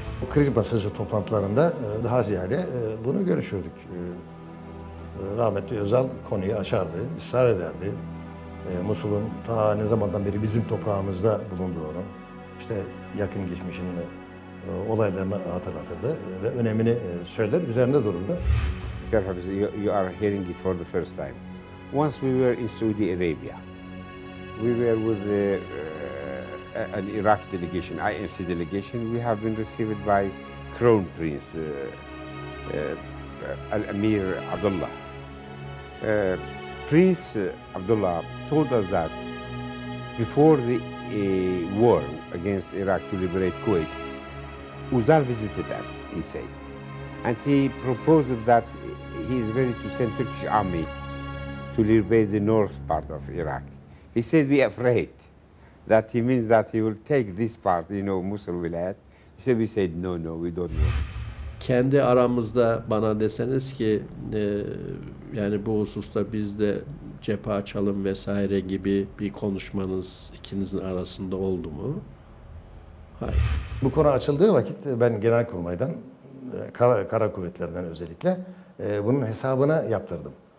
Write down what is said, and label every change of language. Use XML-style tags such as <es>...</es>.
<tr>Kriz masası toplantılarında daha ziyade bunu görüşürdük. Rahmetli Özal konuyu aşardı, ısrar ederdi. Musul'un ta ne zamandan beri bizim toprağımızda bulunduğunu, işte yakın geçmişin olaylarını hatırlatırdı ve önemini söyler, üzerinde dururdu.</tr> <en>Perhaps you are hearing it for the first time. Once we were in Saudi Arabia, we were with an Iraq delegation, INC delegation. We have been received by Crown Prince Al-Amir Abdullah. Prince Abdullah told us that before the war against Iraq to liberate Kuwait, Özal visited us, he said. And he proposed that he is ready to send Turkish army to liberate the north part of Iraq. He said, we are afraid that he means that he will take this part, you know, Mosul wilayet. He said, we said, no, we don't want it.</en> <tr>kendi aramızda bana deseniz ki yani bu hususta biz de cephe açalım vesaire gibi bir konuşmanız ikinizin arasında oldu mu? Hayır. Bu konu açıldığı vakit ben Genelkurmay'dan, kara kuvvetlerden özellikle bunun hesabını yaptırdım.</tr>